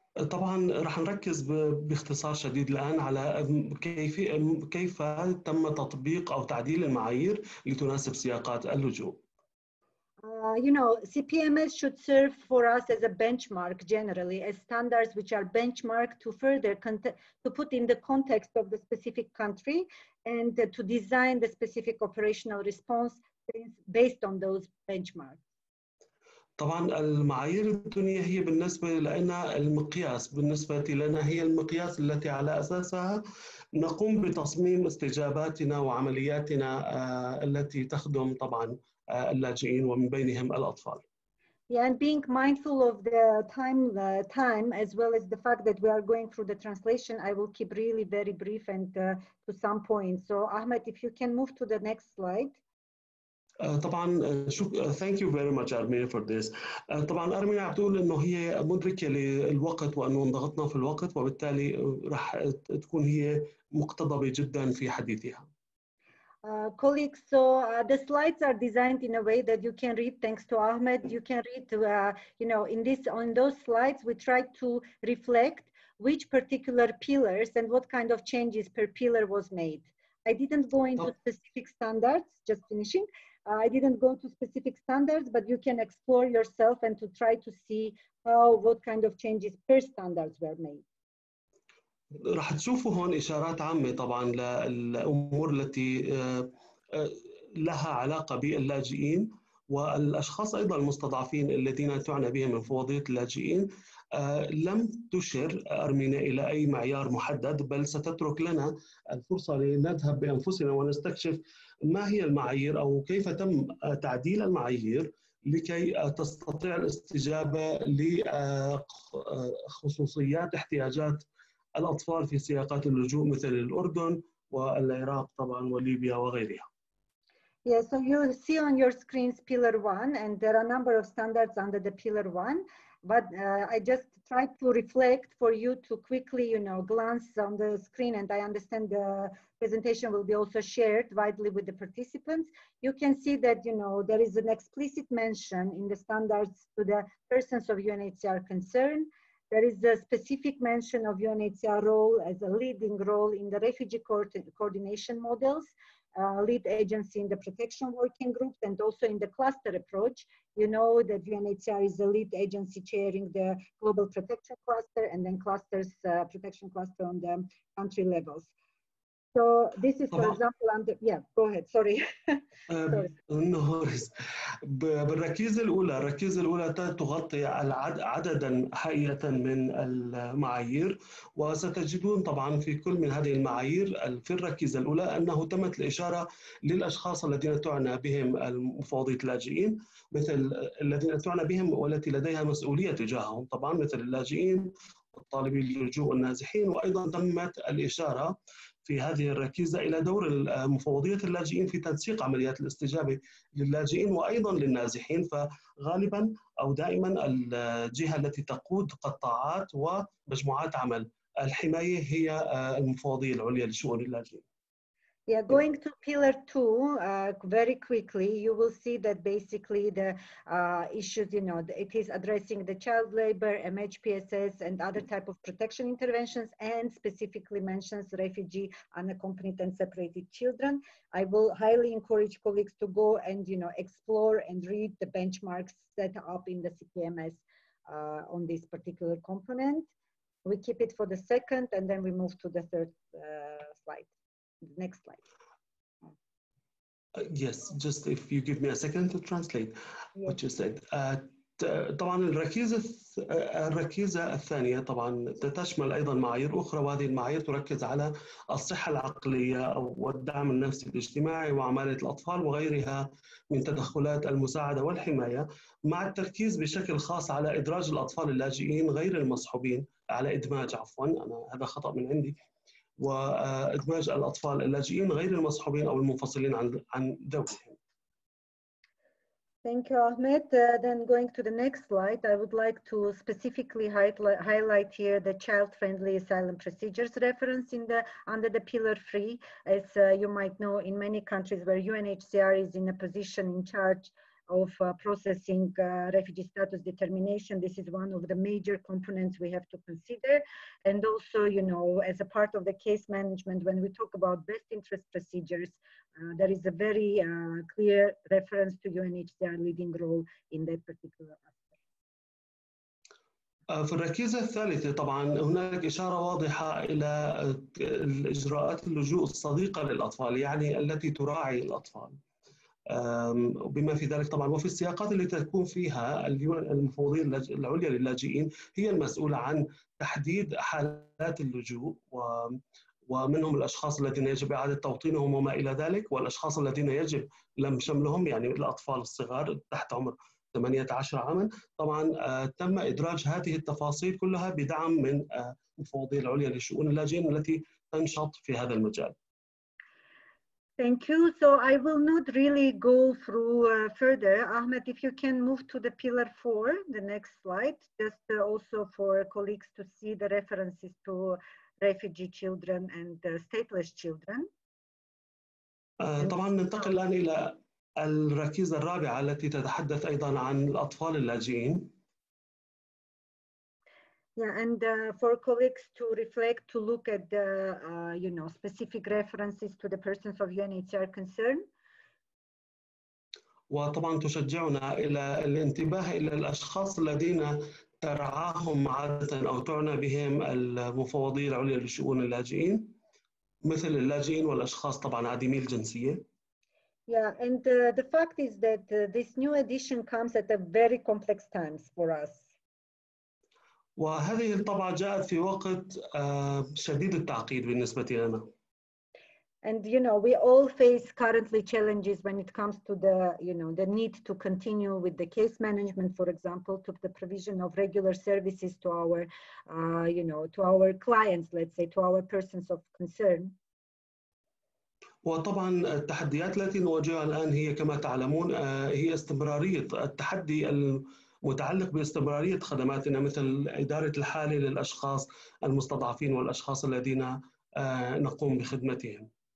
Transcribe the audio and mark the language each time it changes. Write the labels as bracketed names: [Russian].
[Arabic] طبعا راح نركز باختصار شديد الان على كيف تم تطبيق او تعديل المعايير لتناسب سياقات اللجوء. [English] You know, CPMS should serve for us as a benchmark generally, as standards which are benchmarked to further to put in the context of the specific country and to design the specific operational response based on those benchmarks. [Arabic] طبعا المعايير الدنيا هي بالنسبه لنا المقياس, بالنسبه لنا هي المقياس التي على اساسها نقوم بتصميم استجاباتنا وعملياتنا التي تخدم طبعا اللاجئين ومن بينهم الاطفال. [English] Yeah, and being mindful of the time, as well as the fact that we are going through the translation, I will keep really very brief and to some point. So Ahmed, if you can move to the next slide. Thank you very much, Armina, for this. [Arabic] طبعاً أرمينة بتقول إنه هي مدركة للوقت وأنه انضغطنا في الوقت وبالتالي رح تكون هي مقتضبة جداً في حديثها. [English] Colleagues, so the slides are designed in a way that you can read, thanks to Ahmed, you can read, on those slides, we try to reflect which particular pillars and what kind of changes per pillar was made. I didn't go into specific standards, just finishing. I didn't go into specific standards, but you can explore yourself and to try to see how, what kind of changes per standards were made. [Arabic] راح تشوفوا هون إشارات عامة طبعاً للأمور التي لها علاقة باللاجئين والأشخاص أيضاً المستضعفين الذين تعنى بهم من فوضية اللاجئين لم تشر أرمينة إلى أي معيار محدد بل ستترك لنا الفرصة لنذهب بأنفسنا ونستكشف ما هي المعايير أو كيف تم تعديل المعايير لكي تستطيع الاستجابة لخصوصيات احتياجات الأطفال في سياقات اللجوء مثل الأردن والعراق طبعاً وليبيا وغيرها. [English] Yeah, so you see on your screens pillar one, and there are a number of standards under the pillar one. But I just tried to reflect for you to quickly, glance on the screen, and I understand the presentation will be also shared widely with the participants. You can see that, there is an explicit mention in the standards to the persons of UNHCR concern. There is a specific mention of UNHCR role as a leading role in the refugee coordination models, lead agency in the protection working groups, and also in the cluster approach. You know that UNHCR is a lead agency chairing the global protection cluster and then clusters, protection cluster on the country levels. So this is, for example, under, go ahead, sorry. No worries. [Arabic] بالركيزة الأولى، الركيزة الأولى تغطي عددا هائلة من المعايير وستجدون طبعا في كل من هذه المعايير في الركيزة الأولى أنه تمت الإشارة للأشخاص الذين تعنى بهم مفوضية اللاجئين مثل الذين تعنى بهم والتي لديها مسؤولية تجاههم طبعا مثل اللاجئين والطالبين اللجوء والنازحين وأيضا تمت الإشارة في هذه الركيزة إلى دور مفوضية اللاجئين في تنسيق عمليات الاستجابة للاجئين وأيضاً للنازحين فغالباً أو دائماً الجهة التي تقود قطاعات ومجموعات عمل الحماية هي المفوضية العليا لشؤون اللاجئين. [English] Yeah, going to pillar two very quickly, you will see that basically the issues, it is addressing the child labor, MHPSS, and other type of protection interventions, and specifically mentions refugee, unaccompanied, and separated children. I will highly encourage colleagues to go and, explore and read the benchmarks set up in the CPMS on this particular component. We keep it for the second, and then we move to the third slide. Next slide. Yes, just if you give me a second to translate what you said. [Arabic] طبعا الركيزة الثانية طبعا تشمل أيضا معايير أخرى وهذه المعايير تركز على الصحة العقلية والدعم النفسي الاجتماعي وعمالة الأطفال وغيرها من تدخلات المساعدة والحماية مع التركيز بشكل خاص على إدراج الأطفال اللاجئين غير المصحوبين على إدماج عفوا أنا هذا خطأ من عندي وإدماج الأطفال اللاجئين غير المصحوبين أو المنفصلين عن ذويهم. [English] Thank you, Ahmed. Then going to the next slide, I would like to specifically highlight here the child-friendly asylum procedures reference in the under the pillar three. As you might know, in many countries where UNHCR is in a position in charge of processing refugee status determination. This is one of the major components we have to consider. And also, as a part of the case management, when we talk about best interest procedures, there is a very clear reference to UNHCR leading role in that particular aspect. [Arabic] في الركيزة الثالثة طبعاً هناك إشارة واضحة إلى الإجراءات اللجوء الصديقة للأطفال يعني التي تراعي الأطفال. بما في ذلك طبعا وفي السياقات التي تكون فيها المفوضية العليا للاجئين هي المسؤولة عن تحديد حالات اللجوء ومنهم الأشخاص الذين يجب إعادة توطينهم وما إلى ذلك والأشخاص الذين يجب لم شملهم يعني الأطفال الصغار تحت عمر 18 عاما. طبعا تم ادراج هذه التفاصيل كلها بدعم من المفوضيه العليا لشؤون اللاجئين التي تنشط في هذا المجال. [English] Thank you. So I will not really go through further. Ahmed, if you can move to the pillar four, the next slide, just also for colleagues to see the references to refugee children and stateless children. [Arabic] طبعا ننتقل الآن إلى الركيزة الرابعة التي تتحدث أيضا عن الأطفال اللاجئين. [English] Yeah, and for colleagues to reflect, to look at the, you know, specific references to the persons of UNHCR concern. [Arabic] وطبعا تشجعنا إلى الانتباه إلى الأشخاص الذين ترعاهم عادة أو تعنى بهم المفوضية العليا لشؤون اللاجئين مثل اللاجئين والأشخاص طبعا عديمي الجنسية. [English] Yeah, and the fact is that this new edition comes at a very complex times for us. [Arabic] وهذه الطبعة جاءت في وقت شديد التعقيد بالنسبة لنا. [English] And you know, we all face currently challenges when it comes to the, you know, the need to continue with the case management, for example, to the provision of regular services to our, you know, to our clients, let's say, to our persons of concern. [Arabic] وطبعا التحديات التي نواجهها الآن هي كما تعلمون هي استمرارية التحدي متعلق باستمرارية خدماتنا مثل إدارة الحالة للأشخاص المستضعفين والأشخاص الذين نقوم بخدمتهم.